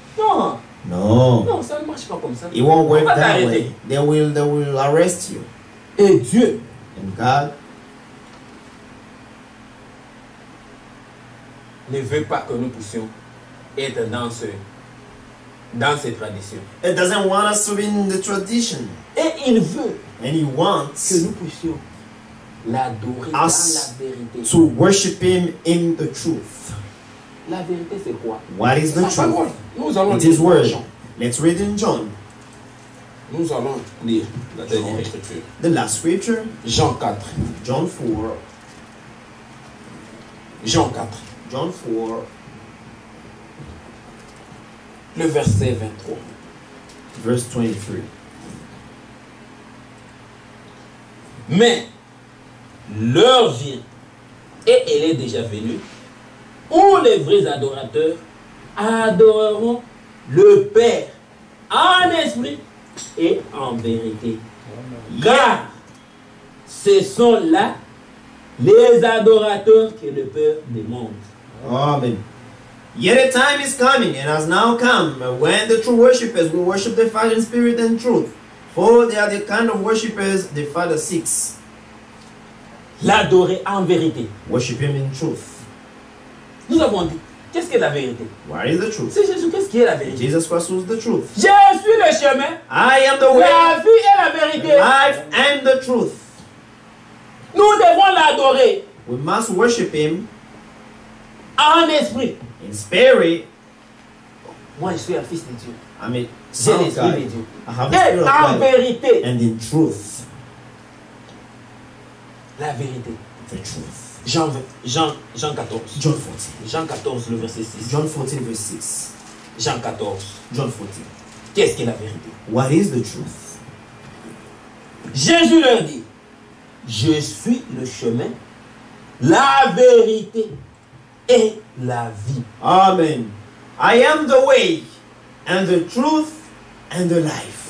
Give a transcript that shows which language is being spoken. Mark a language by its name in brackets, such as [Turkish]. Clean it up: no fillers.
[French] Non. Non, ça ne marche pas comme ça. [English] It won't work that way. They will arrest you. [French] Et Dieu. [English] And God. [French] Ne veut pas que nous puissions être dans ces traditions. [English] It doesn't want us to be in the tradition. [French] Et il veut. [English] And he wants [French] que nous puissions l'adorer dans la vérité. [English] To worship him in the truth. [French] La vérité c'est quoi? [English] What is the truth? [French] Nous allons [English] it is word. Let's read in John. [French] Nous allons lire la dernière écriture. [English] The last scripture. [French] Jean 4. [English] John 4. [French] Jean 4. [English] John 4. [French] Le verset 23. [English] Verse 23. [French] Mais l'heure vient, et elle est déjà venue, où les vrais adorateurs adoreront le Père en esprit et en vérité. Car ce sont là les adorateurs que le Père demande. Amen. [English] Yet a time is coming and has now come when the true worshippers will worship the Father in spirit and truth. For they are the kind of worshippers the Father seeks. [French] L'adorer en vérité. [English] Worship him in truth. [French] Nous avons dit, qu'est-ce que la vérité? [English] What is the truth? [French] C'est Jésus, qu'est-ce qui est la vérité? [English] Jesus Christ was the truth. [French] Je suis le chemin. [English] I am the way. [French] La vie est la vérité. [English] Life and the truth. [French] Nous devons l'adorer. [English] We must worship him. [French] En esprit. [English] In spirit. [French] Moi, je suis un fils de Dieu. [English] I'm a son of God. [French] Et en vérité. [English] And in truth. [French] La vérité. [English] The truth. [French] Jean 14. [English] John 14. [French] Jean 14, le verset 6. [English] John 14, verse 6. [French] Jean 14. [English] John 14. [French] Qu'est-ce que la vérité? [English] What is the truth? [French] Jésus leur dit. Je suis le chemin, la vérité et la vie. Amen. [English] I am the way and the truth and the life.